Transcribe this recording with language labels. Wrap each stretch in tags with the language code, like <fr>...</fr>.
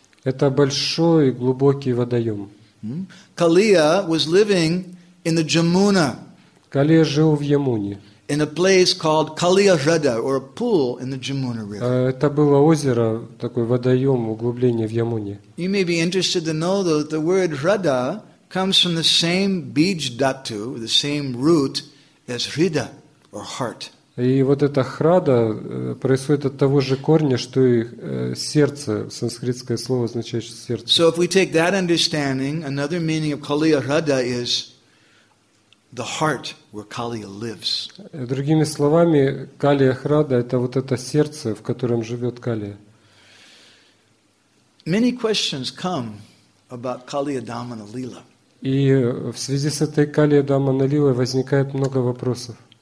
<ru>Это большой глубокий водоем.</ru> <en>Kaliya was living in the Jamuna.</en> <ru>Калия жил в Ямуне.</ru> <en>In a place called Kaliya Rada or a pool in the Jamuna River.</en> <ru>Это было озеро, такой водоем, углубление в Ямуне.</ru> <en>You may be interested to know that the word Rada comes from the same bija dhatu, the same root as Rida or heart.</en> <ru>И вот эта храда происходит от того же корня, что и сердце. Санскритское слово означает сердце.</ru> <en>So if we take that understanding, another meaning of Kaliya Rada is the heart where Kaliya lives.</en> <ru>Другими словами, Калия Храда это вот это сердце, в котором живет Калия.</ru> <en>Many questions come about Kaliya Damana Lila.</en> <ru>И в связи с этой Калия Дамана Лилой возникает много вопросов.</ru>